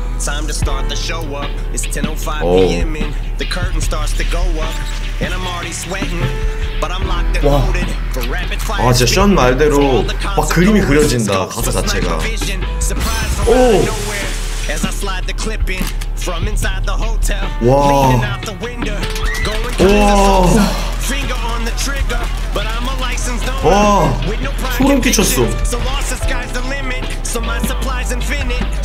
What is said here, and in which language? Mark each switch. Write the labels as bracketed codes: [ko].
[en] Time to start the show up. It's 10:05 p.m. and the curtain starts to go up. And I'm already sweating, but I'm locked and loaded. [ko] 와, 진짜 션 말대로 막 그림이 그려진다 가사 자체가. 오. [en] As I slide the clip in from inside the hotel, leaning out the window, going crazy. Finger on the trigger, but I'm a licensed owner. [ko] 소름 끼쳤어. [en] So lost the sky's the limit, so my supply's infinite.